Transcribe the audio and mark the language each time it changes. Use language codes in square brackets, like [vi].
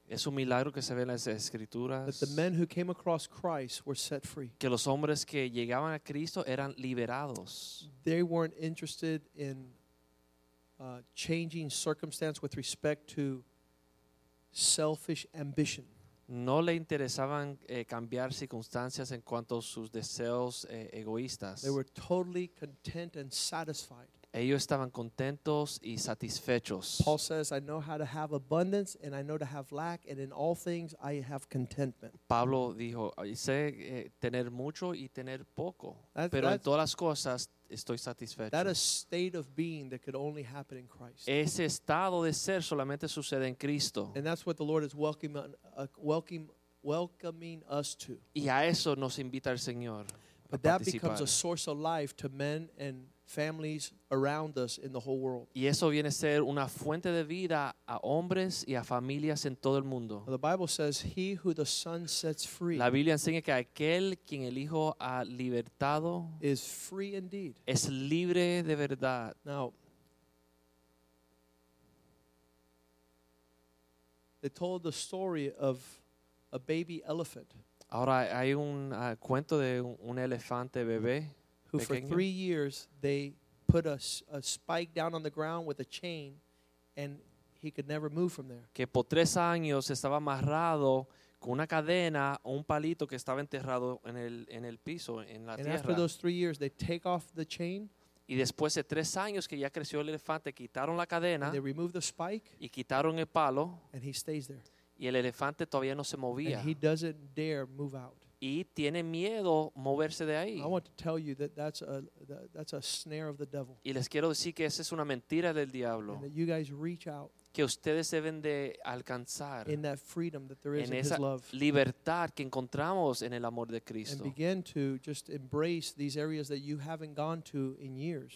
[es] Es un milagro que se ve en las escrituras. [en] That the men who came across Christ were set free. [es] Que los hombres que llegaban a Cristo eran liberados. [en] They weren't interested in changing circumstance with respect to selfish ambition. [es] No le interesaban cambiar circunstancias en cuanto a sus deseos egoístas. [en] They were totally content and satisfied. [es] Ellos estaban contentos y satisfechos. [en] Paul says, I know how to have abundance and I know to have lack, and in all things I have contentment. [es] Pablo dijo, sé tener mucho y tener poco, pero en todas las cosas estoy satisfecho. [en] That is a state of being that could only happen in Christ. [es] Ese estado de ser solamente sucede en Cristo. [en] And that's what the Lord is welcoming us to. [es] Y a eso nos invita el Señor. [en] But that becomes a source of life to men and families around us in the whole world. [es] Y eso viene a ser una fuente de vida a hombres y a familias en todo el mundo. [en] The Bible says, "He who the Son sets free." [es] La Biblia enseña que aquel quien el Hijo ha libertado [en] is free indeed. [es] Es libre de verdad. [en] Now, they told the story of a baby elephant. [es] Ahora hay un cuento de un elefante bebé. [en] Who for 3 years they put a spike down on the ground with a chain, and he could never move from there. [es] Que por 3 años estaba amarrado con una cadena o un palito que estaba enterrado en el piso en la tierra. [en] And after those 3 years, they take off the chain. [es] Y después de 3 años que ya creció el elefante, quitaron la cadena. [en] They remove the spike. [es] Y quitaron el palo. [en] And he stays there. [es] Y el elefante todavía no se movía. [en] And he doesn't dare move out. [es] Y tiene miedo moverse de ahí. [en] I want to tell you that that's a snare of the devil. [es] Y les quiero decir que esa es una mentira del diablo. [en] And that you guys reach out. [es] Que ustedes deben de alcanzar. [en] In that freedom that there is in His love. [es] En esa libertad que encontramos en el amor de Cristo. [en] And begin to just embrace these areas that you haven't gone to in years.